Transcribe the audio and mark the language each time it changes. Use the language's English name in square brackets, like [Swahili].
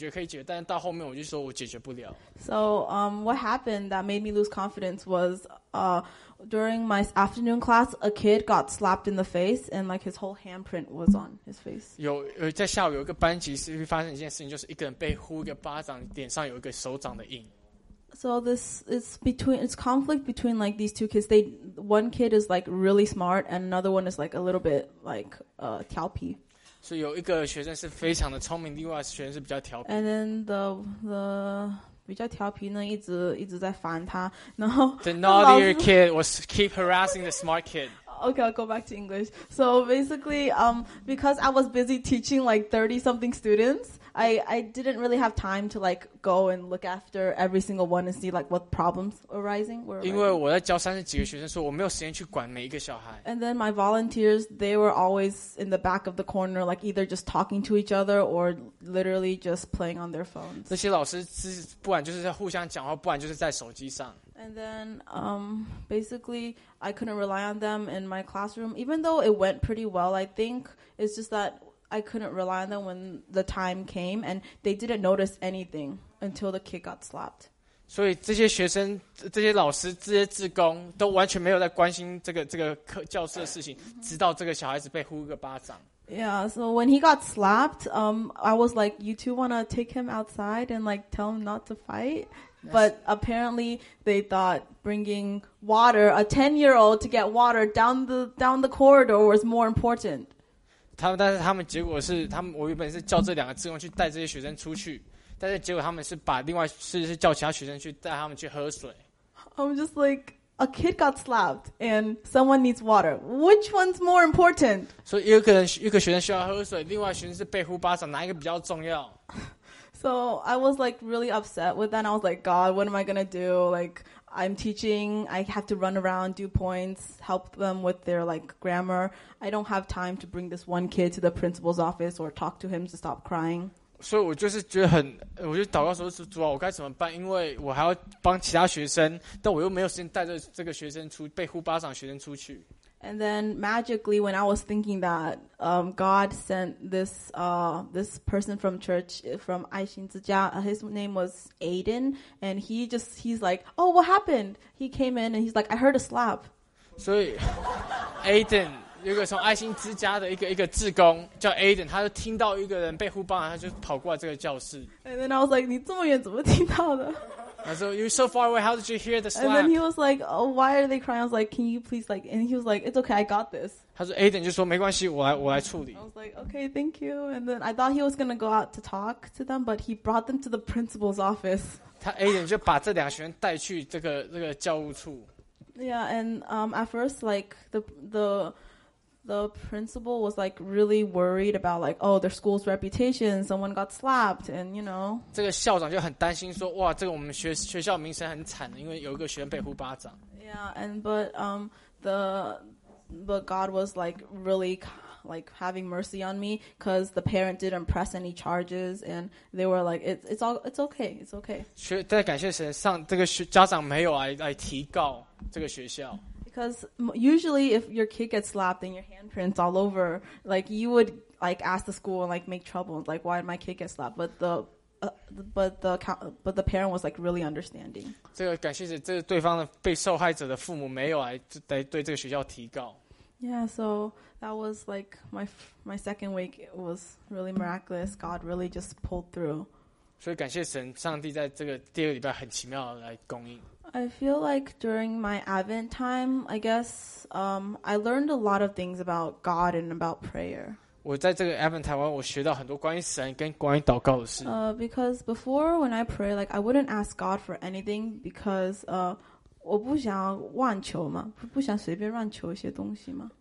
[Chinese] 我一开始是还是很正面说我们可以解决，但是到后面我就说我解决不了。 [English] So what happened that made me lose confidence was during my afternoon class, a kid got slapped in the face, and like his whole handprint was on his face. [Chinese] 在下午有一个班级是发生一件事情，就是一个人被呼一个巴掌，脸上有一个手掌的印。 [English] So this is between it's conflict between like these two kids. They one kid is like really smart, and another one is like a little bit like 调皮。 [Chinese] 所以有一个学生是非常的聪明，另外学生是比较调皮。 [English] And then the [Chinese] 比较调皮呢，一直在烦他。然后 [English] the naughtier kid was keep harassing the smart kid. Okay, I'll go back to English. So basically, because I was busy teaching like 30 something students, I didn't really have time to like go and look after every single one and see like what problems were arising. [Chinese] 因为我在教三十几个学生，所以我没有时间去管每一个小孩。 [English] And then my volunteers, they were always in the back of the corner, like either just talking to each other or literally just playing on their phones. [Chinese] 那些老师是不然就是在互相讲话，不然就是在手机上。 [English] And then, basically, I couldn't rely on them in my classroom. Even though it went pretty well, I think it's just that I couldn't rely on them when the time came, and they didn't notice anything until the kid got slapped. [Chinese] 所以这些学生、这些老师、这些志工都完全没有在关心这个课教室的事情，直到这个小孩子被呼一个巴掌。 [English] Yeah, so when he got slapped, I was like, "You two wanna take him outside and like tell him not to fight?" But apparently, they thought bringing water, a 10-year-old, to get water down the corridor was more important. [Chinese] 但是他们结果是他们我原本是叫这两个志工去带这些学生出去，但是结果他们是把另外是叫其他学生去带他们去喝水。 [English] I'm just like. A kid got slapped, and someone needs water. Which one's more important? [Chinese] So, 一个学生需要喝水，另外学生是被呼巴掌，哪一个比较重要？ [English] So, I was like really upset with that. I was like, God, what am I gonna do? Like, I'm teaching. I have to run around, do points, help them with their like grammar. I don't have time to bring this one kid to the principal's office or talk to him to stop crying. [Chinese] 所以我就是觉得很，我就祷告说：“主啊，我该怎么办？因为我还要帮其他学生，但我又没有时间带着这个学生出被呼巴掌学生出去。” [English] And then magically, when I was thinking that, God sent this person from church from 爱心之家 His name was Aiden, and he's like, "Oh, what happened?" He came in and he's like, "I heard a slap." [Chinese] 所以 Aiden. 有一个从爱心之家的一个志工叫 Aiden， 他就听到一个人被呼巴掌，他就跑过来这个教室。 [English] And then I was like, [Chinese] 你这么远怎么听到的？他说 [English] ，You're so far away. How did you hear the slap? And then he was like, oh, why are they crying? I was like, can you please like? And he was like, it's okay, I got this. [Chinese] 他说 Aiden 就说没关系，我来处理。 [English] I was like, okay, thank you. And then I thought he was gonna go out to talk to them, but he brought them to the principal's office. [Chinese] 他 Aiden 就把这两个学生带去这个教务处。 [English] Yeah, and at first, like the principal was like really worried about like, oh, their school's reputation, someone got slapped, and you know. [Chinese] 这个校长就很担心说，哇，这个我们学校名声很惨，因为有一个学生被呼巴掌。 [English] Yeah, and but God was like really like having mercy on me because the parent didn't press any charges and they were like, it's okay. [Chinese] 但感谢神上这个家长没有来提告这个学校。 [English] Because usually if your kid gets slapped and your handprint's all over, like you would like ask the school and like make trouble. Like, why did my kid get slapped? But the parent was like really understanding. [Chinese] 这个感谢是这个对方的被受害者的父母没有来对这个学校提告。 [English] Yeah, so that was like my second week. It was really miraculous. God really just pulled through. [Chinese] 所以感谢神，上帝在这个第二个礼拜很奇妙的来供应。 [English] I feel like during my Advent time, I guess, I learned a lot of things about God and about prayer. [Chinese] 我在这个 Advent 台湾，我学到很多关于神跟关于祷告的事。 [English] Because before when I pray, like I wouldn't ask God for anything because, [Chinese] 我不想乱求嘛，不想随便乱求一些东西嘛。